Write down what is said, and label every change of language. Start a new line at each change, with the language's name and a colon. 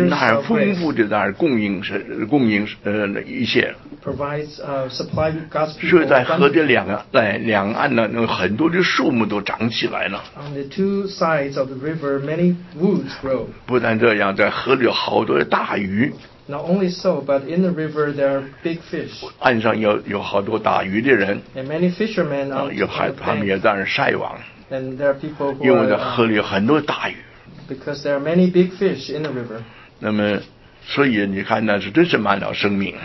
Chinese: 那儿丰富的那儿供应一些
English: provides, supply God's people
Chinese: 所以在河的两岸呢那很多的树木都长起来了
English: On the two sides of the river many woods grow
Chinese: 不但这样在河里有好多的大鱼
English: Not only so, but in the river there are big fish.
Chinese: 岸上有好多打鱼的人。
English: And many fishermen are.
Chinese: 有海，他们也在那晒网。
English: And there are people who.
Chinese: 因为在河里有很多大鱼。
English: Because there are many big fish in the river.
Chinese: 那么，所以你看那是真是满了生命。